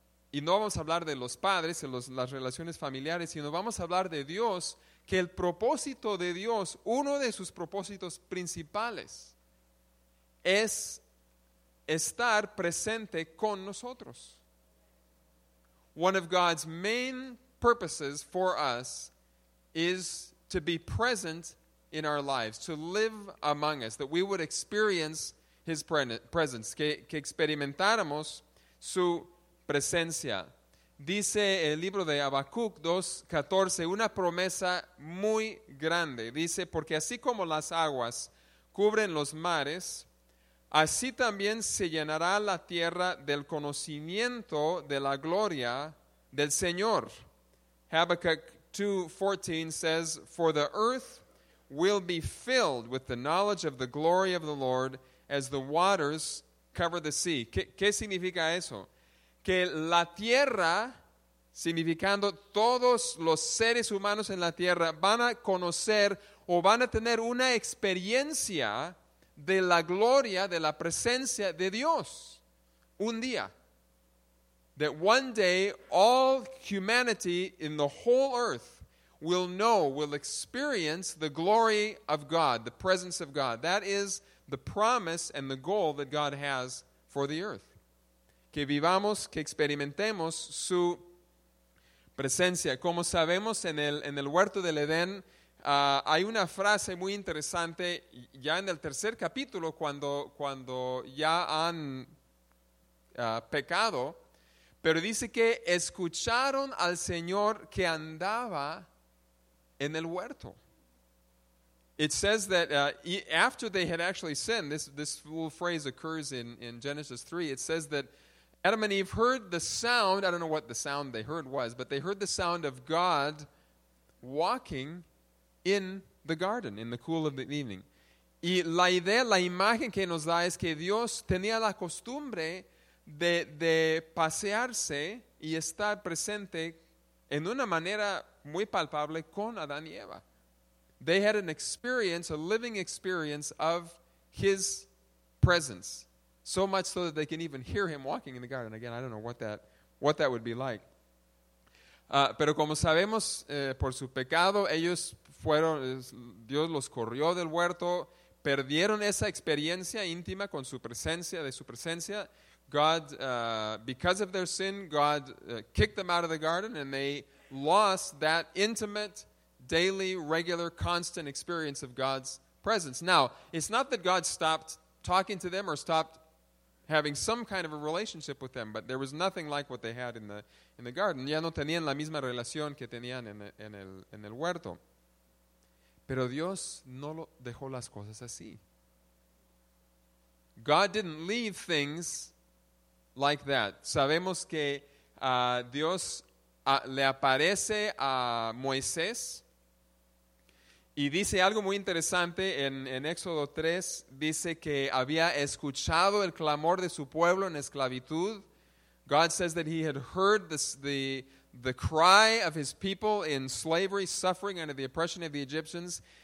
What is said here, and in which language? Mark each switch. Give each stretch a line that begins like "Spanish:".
Spanish: Y no vamos a hablar de los padres, de las relaciones familiares, sino vamos a hablar de Dios, que el propósito de Dios, uno de sus propósitos principales, es estar presente con nosotros.
English: One of God's main purposes for us is to be present in our lives, to live among us, that we would experience His presence,
Spanish: que experimentáramos su presencia. Dice el libro de Habacuc 2:14, una promesa muy grande. Dice, porque así como las aguas cubren los mares, así también se llenará la tierra del conocimiento de la gloria del Señor.
English: Habacuc 2:14 says, for the earth will be filled with the knowledge of the glory of the Lord as the waters cover the sea.
Spanish: ¿Qué significa eso? Que la tierra, significando todos los seres humanos en la tierra, van a conocer o van a tener una experiencia de la gloria, de la presencia de Dios, un día.
English: That one day all humanity in the whole earth will know, will experience the glory of God, the presence of God. That is the promise and the goal that God has for the earth.
Spanish: Que vivamos, que experimentemos su presencia. Como sabemos, en el huerto del Edén, hay una frase muy interesante ya en el tercer capítulo, cuando ya han pecado, pero dice que escucharon al Señor que andaba en el huerto.
English: It says that after they had actually sinned, this little phrase occurs in Genesis 3, it says that Adam and Eve heard the sound, I don't know what the sound they heard was, but they heard the sound of God walking in the garden, in the cool of the evening.
Spanish: Y la idea, la imagen que nos da es que Dios tenía la costumbre de pasearse y estar presente en una manera muy palpable con Adán y Eva.
English: They had an experience, a living experience of His presence. So much so that they can even hear Him walking in the garden. Again, I don't know what that would be like.
Spanish: Pero como sabemos, por su pecado, ellos fueron, Dios los corrió del huerto, perdieron esa experiencia íntima con su presencia, de su presencia.
English: God, because of their sin, God kicked them out of the garden, and they lost that intimate, daily, regular, constant experience of God's presence. Now, it's not that God stopped talking to them or stopped having some kind of a relationship with them, but there was nothing like what they had in the garden.
Spanish: Ya no tenían la misma relación que tenían en el huerto. Pero Dios no lo dejó las cosas así.
English: God didn't leave things like that.
Spanish: Sabemos que Dios le aparece a Moisés y dice algo muy interesante en Éxodo 3, dice que había escuchado el clamor de su pueblo en esclavitud.
English: God says that he had heard the cry of his people in slavery, suffering under the oppression of the Egyptians.